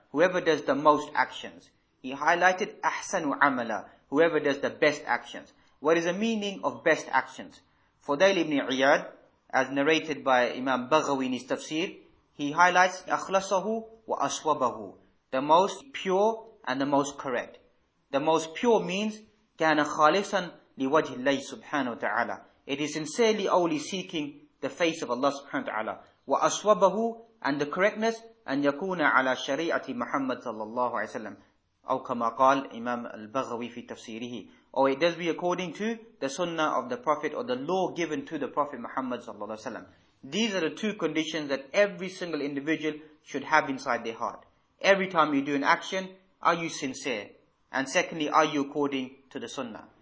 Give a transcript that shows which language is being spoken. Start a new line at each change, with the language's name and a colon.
English: Whoever does the most actions. He highlighted
Arabic: أَحْسَنُ عَمَلًا.
English: Whoever does the best actions. What is the meaning of best actions? Fudayl ibn Iyad, as narrated by Imam Baghawi in his tafsir, he highlights
Arabic: أَخْلَصَهُ وَأَصْوَبَهُ.
English: The most pure and the most correct. The most pure means
Arabic: كَانَ خَالِصًا لِوَجْهِ اللَّهِ سُبْحَانَهُ وَتَعَالَى. It is sincerely only seeking the face of Allah subhanahu wa ta'ala. وَأَصْوَبَهُ,
English: and the correctness,
Arabic: أَنْ يَكُونَ عَلَى شَرِيعَةِ مُحَمَّدٍ صَلَّى اللَّهُ عَلَيْهِ وَسَلَّمَ. أو كما قال إمام البغوي في تفسيره.
English: Or it does be according to the sunnah of the Prophet or the law given to the Prophet Muhammad sallallahu alaihi wasallam. These are the two conditions that every single individual should have inside their heart. Every time you do an action, are you sincere? And secondly, are you according to the sunnah?